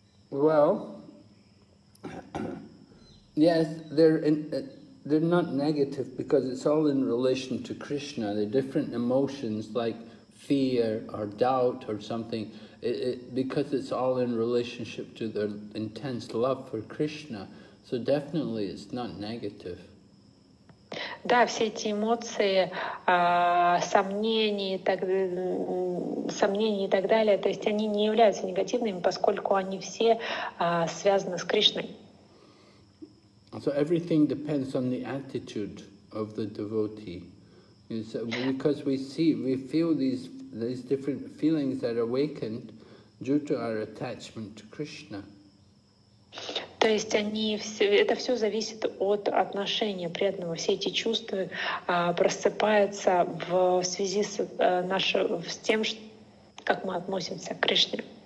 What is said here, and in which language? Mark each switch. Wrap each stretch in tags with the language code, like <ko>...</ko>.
<en>Well, yes, they're not negative because it's all in relation to Krishna. They're different emotions like fear or doubt or something, because it's all in relationship to their intense love for Krishna. So definitely it's not negative.</en> <ru>Да, все эти эмоции, сомнения и так далее, то есть они не являются негативными, поскольку они все связаны с Кришной.</ru> <en>So everything depends on the attitude of the devotee. It's because we feel these different feelings that are awakened due to our attachment to Krishna.</en> <ru>То есть они все, это все зависит от отношения преданного. Все эти чувства просыпаются в связи с с тем, как мы относимся к Кришне.</ru>